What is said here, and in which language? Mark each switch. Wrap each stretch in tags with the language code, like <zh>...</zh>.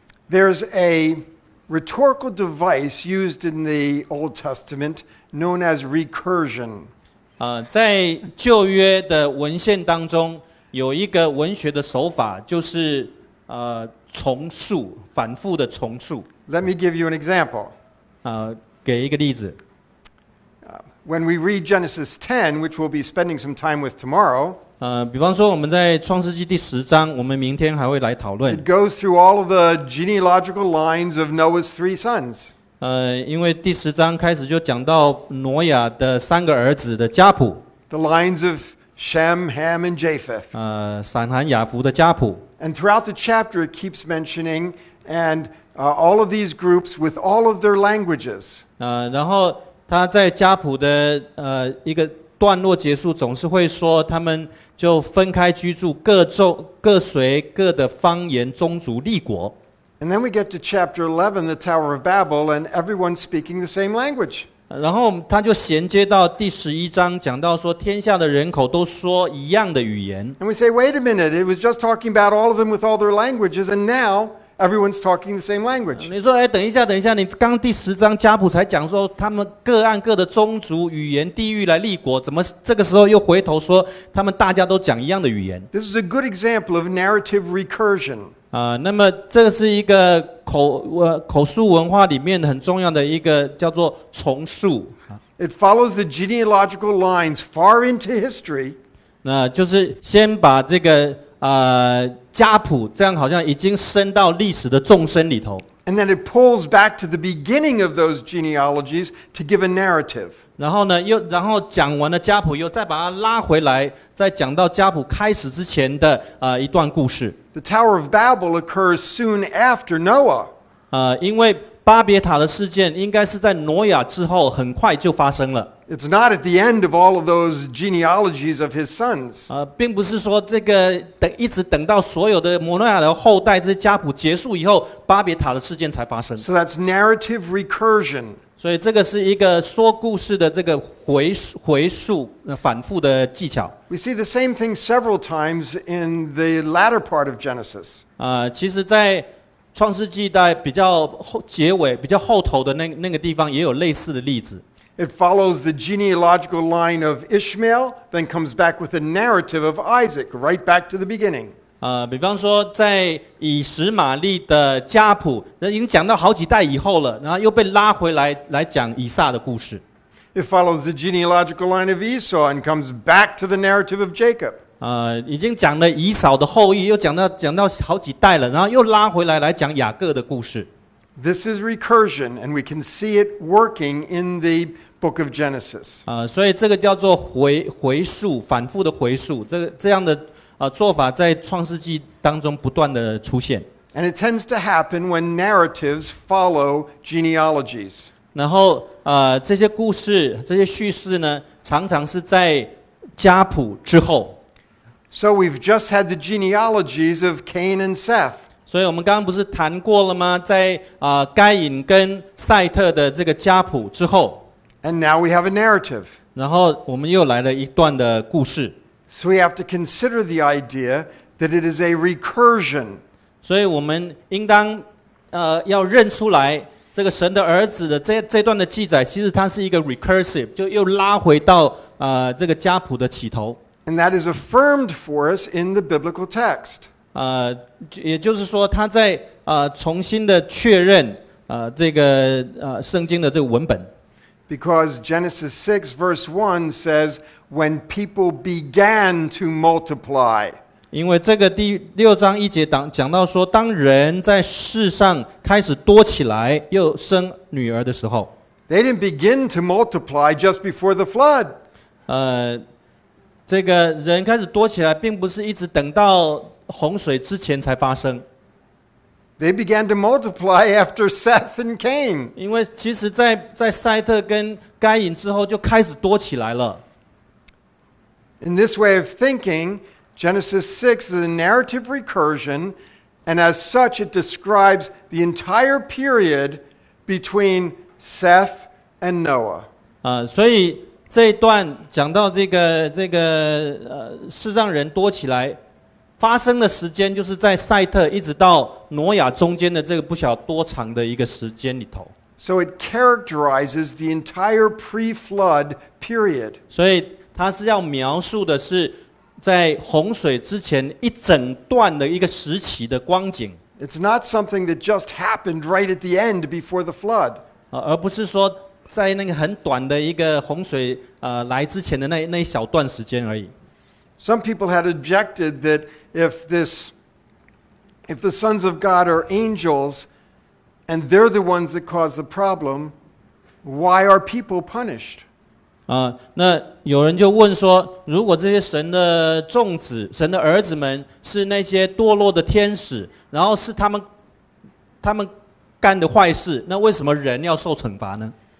<en>There's a rhetorical device used in the Old Testament known as recursion.</en> <zh>在旧约的文献当中有一个文学的手法，就是重述，反复的重述。</zh> <en>Let me give you an example.</en> <zh>给一个例子。</zh> <en>When we read Genesis 10, which we'll be spending some time with tomorrow,</en> <zh>比方说我们在创世纪第十章，我们明天还会来讨论。</zh> <en>It goes through all of the genealogical lines of Noah's three sons.</en> <zh>因为第十章开始就讲到挪亚的三个儿子的家谱。</zh> <en>The lines of Shem, Ham, and Japheth.</en> <zh>闪、含、雅弗的家谱。</zh> <en>And throughout the chapter, it keeps mentioning and all of these groups with all of their languages.</en> <zh>然后他在家谱的一个段落结束，总是会说他们就分开居住，各随各的方言、宗族、立国。</zh> <en>And then we get to chapter 11, the Tower of Babel, and everyone speaking the same language.</en> <zh>然后他就衔接到第十一章，讲到说天下的人口都说一样的语言。</zh> <en>And we say, wait a minute, it was just talking about all of them with all their languages, and now everyone's talking the same language.</en> <zh>你说，哎，等一下，你刚第十章家谱才讲说他们各按各的宗族、语言、地域来立国，怎么这个时候又回头说他们大家都讲一样的语言</zh> <en>？This is a good example of narrative recursion.</en> <zh>那么这是一个口述文化里面很重要的一个叫做重述。</zh> <en>It follows the genealogical lines far into history.</en> <zh>那就是先把这个家谱，这样好像已经升到历史的纵深里头。</zh> <en>And then it pulls back to the beginning of those genealogies to give a narrative.</en> <zh>然后呢，又然后讲完了家谱，又再把它拉回来，再讲到家谱开始之前的一段故事。</zh> <en>The Tower of Babel occurs soon after Noah.</en> <zh>因为巴别塔的事件应该是在挪亚之后很快就发生了。</zh> <en>It's not at the end of all of those genealogies of his sons.</en> <zh>并不是说这个等一直等到所有的摩诺亚的后代这些家谱结束以后，巴别塔的事件才发生。</zh> <en>So that's narrative recursion.</en> <zh>所以这个是一个说故事的这个回溯反复的技巧。</zh> <en>We see the same thing several times in the latter part of Genesis.</en> <zh>其实在创世纪在比较后结尾比较后头的那个地方也有类似的例子。</zh> <en>It follows the genealogical line of Ishmael, then comes back with a narrative of Isaac, right back to the beginning.</en> <zh>比方说在以实玛利的家谱已经讲到好几代以后了，然后又被拉回来来讲以撒的故事。</zh> <en>It follows the genealogical line of Esau and comes back to the narrative of Jacob.</en> <zh>已经讲了以扫的后裔，又讲到好几代了，然后又拉回来来讲雅各的故事。</zh> <en>This is recursion, and we can see it working in the book of Genesis.</en> <zh>所以这个叫做回溯，反复的回溯，这样的做法在创世纪当中不断的出现。</zh> <en>And it tends to happen when narratives follow genealogies.</en> <zh>然后这些故事、这些叙事呢，常常是在家谱之后。</zh> <en>So we've just had the genealogies of Cain and Seth.</en> <zh>所以我们刚刚不是谈过了吗？在该隐跟赛特的这个家谱之后。</zh> <en>And now we have a narrative.</en> <zh>然后我们又来了一段的故事。</zh> <en>So we have to consider the idea that it is a recursion.</en> <zh>所以我们应当要认出来这个神的儿子的这段的记载，其实它是一个 recursive， 就又拉回到这个家谱的起头。</zh> <en>And that is affirmed for us in the biblical text.</en> <zh>也就是说，他在重新的确认这个圣经的这个文本。</zh> <en>Because Genesis 6 verse 1 says, "When people began to multiply."</en> <zh>因为这个第六章一节讲到说，当人在世上开始多起来，又生女儿的时候。</zh> <en>They didn't begin to multiply just before the flood.</en> <zh>这个人开始多起来，并不是一直等到洪水之前才发生。</zh> <en>They began to multiply after Seth and Cain.</en> <zh>因为其实在赛特跟该隐之后就开始多起来了。</zh> <en>In this way of thinking, Genesis 6 is a narrative recursion, and as such, it describes the entire period between Seth and Noah.</en> <zh>所以这一段讲到这个世上人多起来发生的时间，就是在赛特一直到挪亚中间的这个不晓多长的一个时间里头。</zh> <en>So it characterizes the entire pre-flood period.</en> <zh>所以它是要描述的是在洪水之前一整段的一个时期的光景。</zh> <en>It's not something that just happened right at the end before the flood.</en> <zh>而不是说在那个很短的一个洪水来之前的那一小段时间而已。</zh> <en>Some people had objected that if the sons of God are angels and they're the ones that cause the problem, why are people punished?</en> <zh>那有人就问说，如果这些神的众子、神的儿子们是那些堕落的天使，然后是他们干的坏事，那为什么人要受惩罚呢？</zh>